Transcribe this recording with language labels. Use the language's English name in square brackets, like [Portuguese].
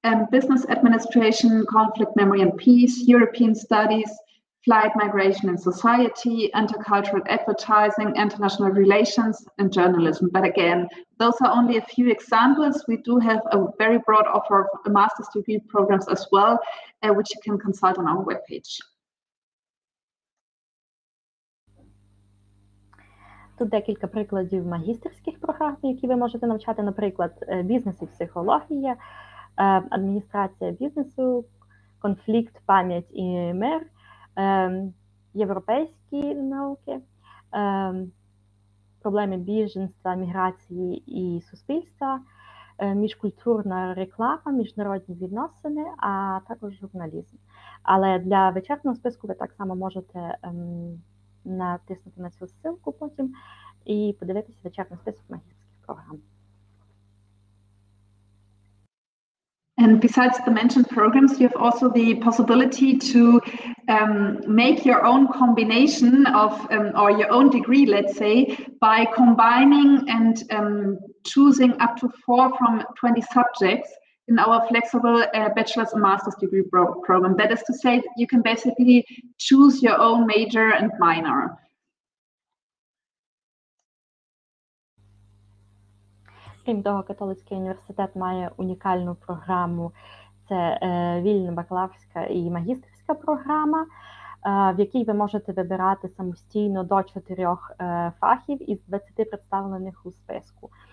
[English] Business administration, conflict memory and peace, European studies, flight migration and society, intercultural advertising, international relations, and journalism. But again, those are only a few examples. We do have a very broad offer of master's degree programs as well, which you can consult on our webpage. [Ukrainian] Тут декілька прикладів магістерських програм, які ви можете навчати, наприклад, бізнес і психологія, адміністрація бізнесу, конфлікт, пам'ять і мир, європейські науки, проблеми біженства, міграції і суспільства, міжкультурна реклама, міжнародні відносини, а також журналізм. Але для вичерпного списку ви так само можете натиснути на цю ссылку потім і подивитися вичерпний список магістерських програм. [English] And besides the mentioned programs, you have also the possibility to make your own combination of or your own degree, let's say, by combining and choosing up to 4 from 20 subjects in our flexible bachelor's and master's degree program. That is to say, you can basically choose your own major and minor. [Ukrainian] Крім того, Католицький університет має унікальну програму. Це вільна бакалаврська і магістерська програма, в якій ви можете вибирати самостійно до 4 фахів із 20 представлених у списку.